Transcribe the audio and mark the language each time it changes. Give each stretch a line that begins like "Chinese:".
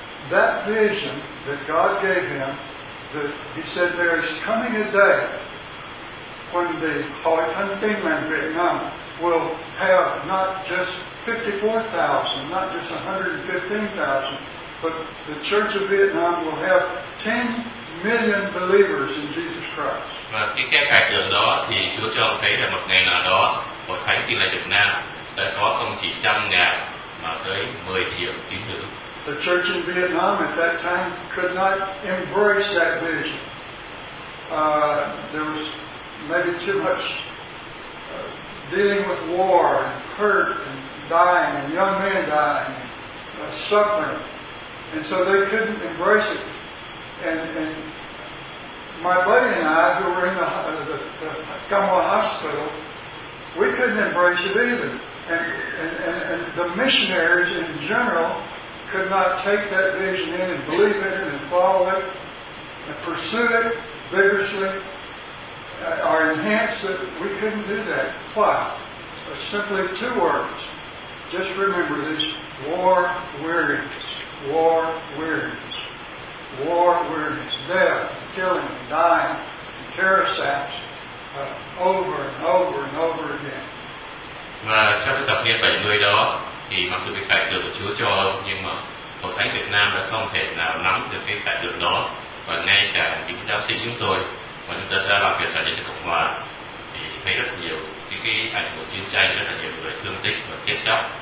English: That vision that God gave him, he said, there is coming a day when the Hội Thánh Tinlan Vietnam will have not just 54,000, not just 115,000, but the Church of Vietnam will have 10 million believers in Jesus Christ.
Vietnamese: Và cái khải tượng đó thì Chúa cho ông thấy là một ngày nào đó Hội Thánh Tinlan Việt Nam sẽ có không chỉ 100,000 mà tới 10 triệu tín hữu.
English: The church in Vietnam at that time could not embrace that vision. There was maybe too much dealing with war and hurt and dying and young men dying and suffering. And so they couldn't embrace it. And my buddy and I, who were in the Kamwa hospital, we couldn't embrace it either. And the missionaries in general could not take that vision in and believe in it and follow it and pursue it vigorously or enhance it. We couldn't do that. Why? Simply two words. Just remember this: war weariness. War weariness. War weariness. Death, killing, dying, and terror saps over and over and over again.
Vietnamese: Và trong cái tập niên 70 đó thì mặc dù cái khải tượng của Chúa cho, nhưng mà Hội Thánh Việt Nam đã không thể nào nắm được cái khải tượng đó. Và ngay cả những giáo sinh chúng tôi, mà chúng ta ra làm việc ở Liên Hợp Cộng Hòa, thì thấy rất nhiều những cái ảnh của chiến tranh, rất là nhiều người thương tích và chết chóc.